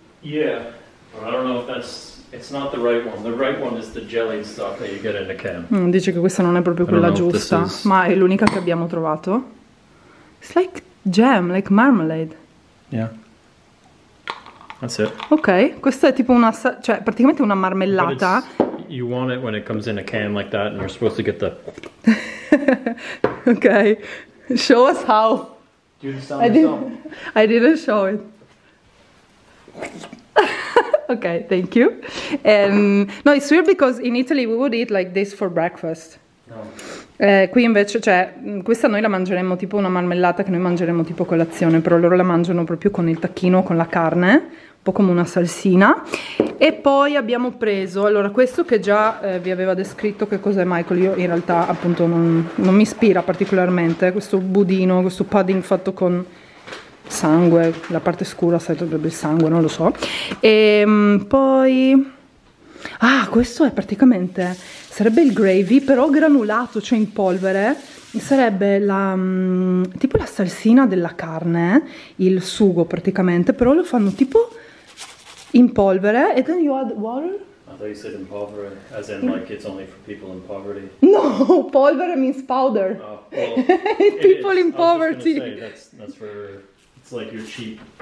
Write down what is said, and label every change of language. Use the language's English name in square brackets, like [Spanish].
[English] Yeah, well, I don't know if that's, it's not the right one, the right one is the jelly stuff that you get in a can. [Italian] Dice che questa non è proprio quella giusta, ma è l'unica che abbiamo trovato. [English] It's like jam, like marmalade. Yeah. That's it. [Italian] Ok, questa è tipo una, cioè praticamente una marmellata. [English] You want it when it comes in a can like that and you're supposed to get the... Ok, show us how. Do the sound yourself. I didn't show it. Ok, thank you. No, it's weird because in Italy we would eat like this for breakfast. No. [Italian] Qui invece, cioè, questa noi la mangeremo tipo una marmellata che noi mangeremo tipo colazione, però loro la mangiano proprio con il tacchino, con la carne, un po' come una salsina. E poi abbiamo preso, allora questo che già vi aveva descritto che cos'è Michael, io in realtà appunto non mi ispira particolarmente, questo budino, questo pudding fatto con sangue, la parte scura sarebbe il sangue, non lo so. E poi... Ah, questo è praticamente, sarebbe il gravy, però granulato, cioè in polvere, sarebbe la tipo la salsina della carne, il sugo praticamente, però lo fanno tipo in polvere. [English] E then you add water? I thought you said [Italian] in polvere, [English] as in like it's only for people in poverty. No, polvere means powder. Well, people in poverty. I was gonna say, that's for, it's like you're cheap.